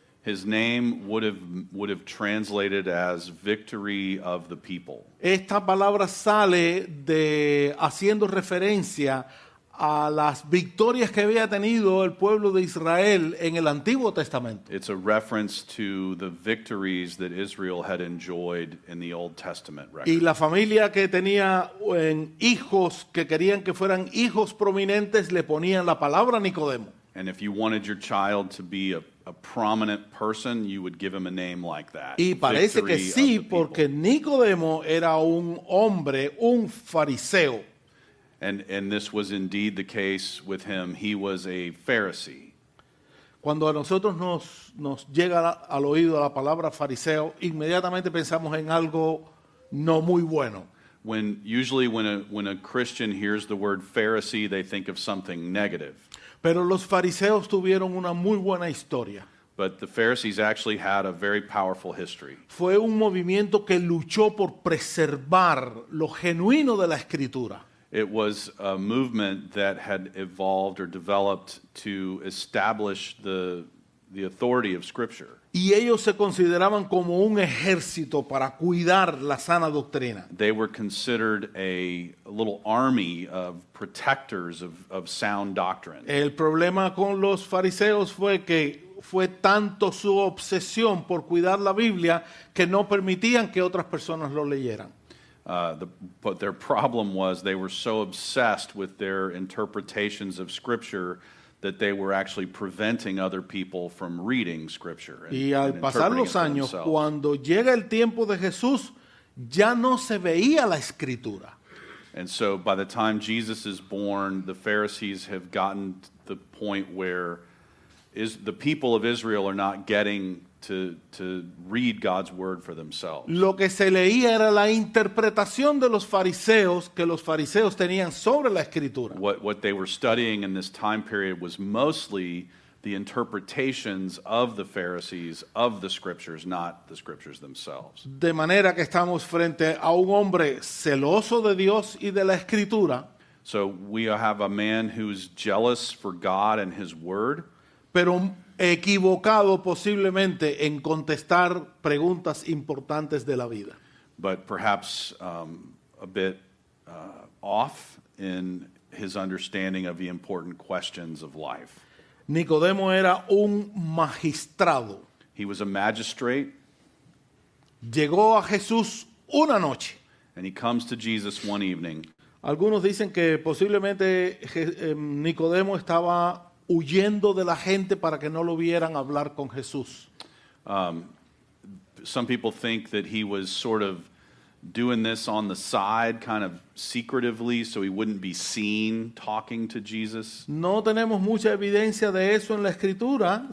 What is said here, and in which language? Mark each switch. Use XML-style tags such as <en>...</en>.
<en>His name would have translated as victory of the people.</en> <es>Esta palabra sale de haciendo referencia a las victorias que había tenido el pueblo de Israel en el Antiguo Testamento.</es> <en>It's a reference to the victories that Israel had enjoyed in the Old Testament record.</en> <es>Y la familia que tenía hijos que querían que fueran hijos prominentes le ponían la palabra Nicodemo.</es> <en>And if you wanted your child to be a prominent person, you would give him a name like that.</en> <es>Y parece que sí, porque Nicodemo era un hombre, un fariseo.</es> <en>And this was indeed the case with him. He was a Pharisee.</en> <es>Cuando a nosotros nos llega al oído la palabra fariseo, inmediatamente pensamos en algo no muy bueno.</es> <en>When a Christian hears the word Pharisee, they think of something negative.</en> <es>Pero los fariseos tuvieron una muy buena historia.</es> <en>But the Pharisees actually had a very powerful history.</en> <es>Fue un movimiento que luchó por preservar lo genuino de la Escritura.</es> <en>It was a movement that had evolved or developed to establish the authority of Scripture.</en> <es>Y ellos se consideraban como un ejército para cuidar la sana doctrina.</es> <en>They were considered a little army of protectors of sound doctrine.</en> <es>El problema con los fariseos fue que fue tanto su obsesión por cuidar la Biblia que no permitían que otras personas lo leyeran.</es> <en>But their problem was they were so obsessed with their interpretations of Scripture that they were actually preventing other people from reading Scripture.</en> <es>Y al pasar los años, cuando llega el tiempo de Jesús, ya no se veía la Escritura.</es> <en>And so by the time Jesus is born, the Pharisees have gotten to the point where the people of Israel are not getting to read God's word for themselves.</en> <es>Lo que se leía era la interpretación de los fariseos que los fariseos tenían sobre la escritura.</es> <en>What they were studying in this time period was mostly the interpretations of the Pharisees of the scriptures, not the scriptures themselves.</en> <es>De manera que estamos frente a un hombre celoso de Dios y de la escritura.</es> <en>So we have a man who's jealous for God and his word.</en> <es>Pero equivocado posiblemente en contestar preguntas importantes de la vida.</es> <en>But perhaps a bit off in his understanding of the important questions of life.</en> <es>Nicodemo era un magistrado.</es> <en>He was a magistrate.</en> <es>Llegó a Jesús una noche.</es> <en>And he comes to Jesus one evening.</en> <es>Algunos dicen que posiblemente Nicodemo estaba huyendo de la gente para que no lo vieran hablar con Jesús.</es> <en>Some people think that he was sort of doing this on the side, kind of secretively, so he wouldn't be seen talking to Jesus.</en> <es>No tenemos mucha evidencia de eso en la escritura.</es>